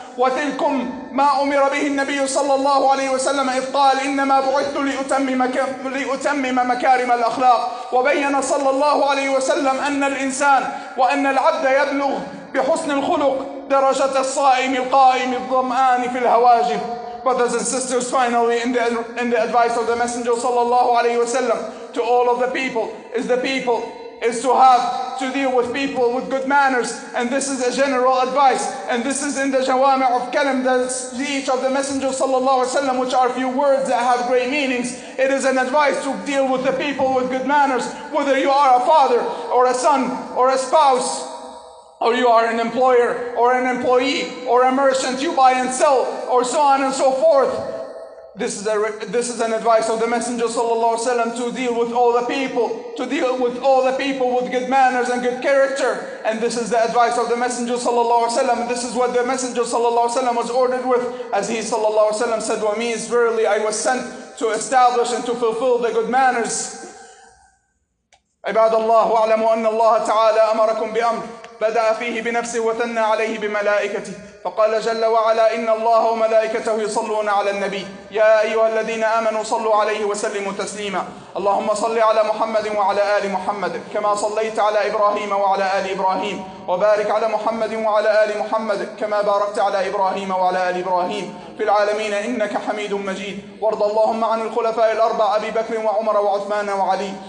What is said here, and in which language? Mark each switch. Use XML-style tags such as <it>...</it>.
<ar>وتلكم ما أمر به النبي صلى الله عليه وسلم إذ قال: إنما بعثت لأتمم مكارم الأخلاق. وبين صلى الله عليه وسلم أن الإنسان وأن العبد يبلغ بحسن الخلق درجة الصائم القائم الظمآن في الهواجر.</ar> <en>Brothers and sisters, finally, in the advice of the Messenger sallallahu alaihi wasallam to all of the people is the people is to have to deal with people with good manners, and this is a general advice, and this is in the Jawami of Kalam, the speech of the Messenger sallallahu alaihi wasallam, which are few words that have great meanings. It is an advice to deal with the people with good manners, whether you are a father or a son or a spouse, or you are an employer or an employee or a merchant, you buy and sell, or so on and so forth. This is an advice of the Messenger sallallahu alaihi wasallam, to deal with all the people, to deal with all the people with good manners and good character. And this is the advice of the Messenger sallallahu alaihi wasallam. This is what the Messenger sallallahu alaihi wasallam was ordered with, as he sallallahu alaihi wasallam said, "Wa means verily I was sent to establish and to fulfill the good manners."</en> <ar>عباد الله واعلموا أن الله تعالى أمركم بأمر بدأ فيه بنفسه وثنى عليه بملائكته فقال جل وعلا إن الله وملائكته يصلون على النبي يا أيها الذين آمنوا صلوا عليه وسلموا تسليما اللهم صل على محمد وعلى آل محمد كما صليت على إبراهيم وعلى آل إبراهيم وبارك على محمد وعلى آل محمد كما باركت على إبراهيم وعلى آل إبراهيم في العالمين إنك حميد مجيد وارض اللهم عن الخلفاء الأربع أبي بكر وعمر وعثمان وعلي</ar>